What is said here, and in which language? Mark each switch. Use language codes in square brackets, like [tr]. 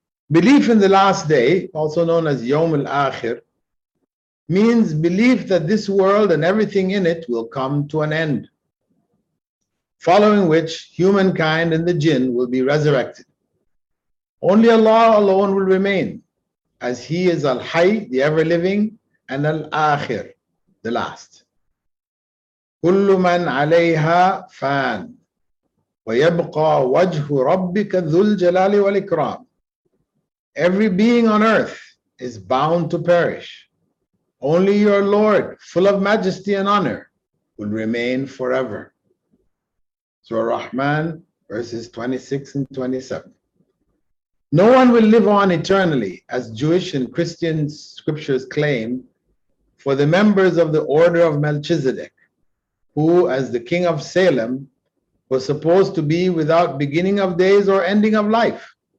[en] Belief in the last day, also known as Yawm al-Akhir, means belief that this world and everything in it will come to an end, following which humankind and the jinn will be resurrected. Only Allah alone will remain, as He is Al-Hayy, the ever-living, أنا الآخر, the last. [ar] كل من عليها فان, ويبقى وجه ربك ذو الجلال والإكرام. [en] Every being on earth is bound to perish. Only your Lord, full of majesty and honor, will remain forever. Surah Rahman, verses 26 and 27. No one will live on eternally, as Jewish and Christian scriptures claim, for the members of the order of Melchizedek, who, as the king of Salem, was supposed to be without beginning of days or ending of life.